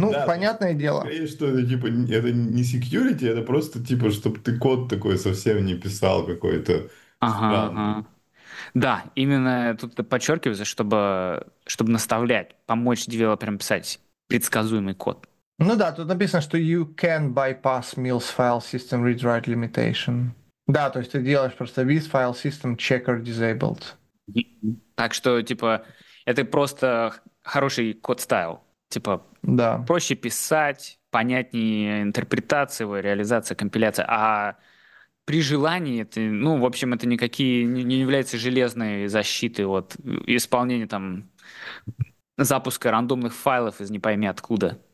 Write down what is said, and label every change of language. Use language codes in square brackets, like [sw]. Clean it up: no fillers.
[ru] да, но понятное дело. скорее что это типа это не security, это просто типа, чтобы ты код такой совсем не писал какой-то Ага, странный. ага. Да, именно тут подчеркивается, чтобы наставлять, помочь девелоперам писать предсказуемый код. Ну да, тут написано, что [en] you can bypass MIL's file system read-write limitation. [ru] Да, то есть ты делаешь просто with file system checker disabled. Так что, типа, это просто хороший код стайл. Типа, Да. проще писать, понятнее интерпретация его, реализация, компиляция. А при желании, ты, ну, в общем, это никакие не является железной защитой от исполнения там запуска рандомных файлов из не пойми откуда.